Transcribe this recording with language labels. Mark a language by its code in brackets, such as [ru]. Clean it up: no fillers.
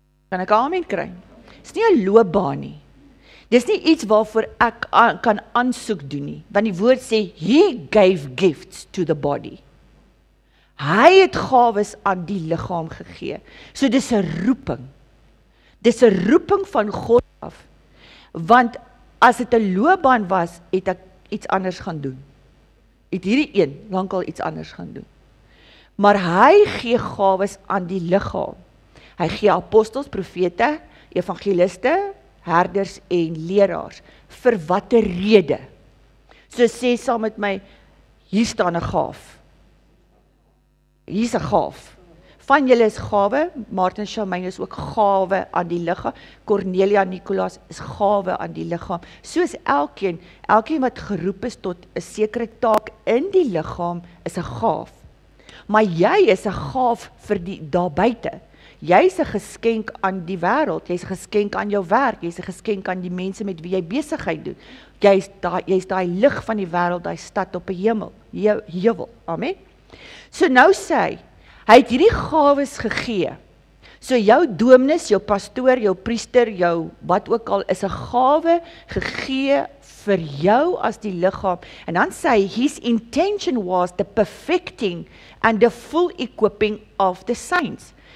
[af] Kan ek amen kry? Is nie 'n loopbaan nie. Dis nie iets waarvoor ek kan aansoek doen nie, want die woord sê, [en] he gave gifts to the body. [af] Hy het gawes aan die liggaam gegee. So dis 'n roeping. Dis 'n roeping van God af. Want as dit 'n loopbaan was, het ek iets anders gaan doen. Het hierdie een lankal iets anders gaan doen. Maar hy gee gawes aan die liggaam. Hy gee apostels, profete, evangeliste, herders en leraars. Vir watter rede? So sê saam met my, hier staan 'n gaaf. Hier is een gaaf. Van julle is gawe, Martin Charmaine is ook gawe aan die liggaam, Cornelia Nicolaas is gawe aan die liggaam. Soos elkeen wat geroep is tot 'n sekere taak in die liggaam, is een gaaf. Maar jy is een gaaf vir die daar buiten. Jy is een geskenk aan die wêreld, jy is een geskenk aan jou werk, jy is een geskenk aan die mense met wie jy besigheid doen. Jy is daai lig van die wêreld, daai stad op die hemel, jou heuwel. Amen. So nou sê hy, hy het hierdie gawes gegee. So jou dominus, jou pastoor, jou priester, jou wat ook al, is 'n gawe gegee vir jou as die liggaam. En dan sê hy, [en] his intention was the perfecting and the full equipping of the saints.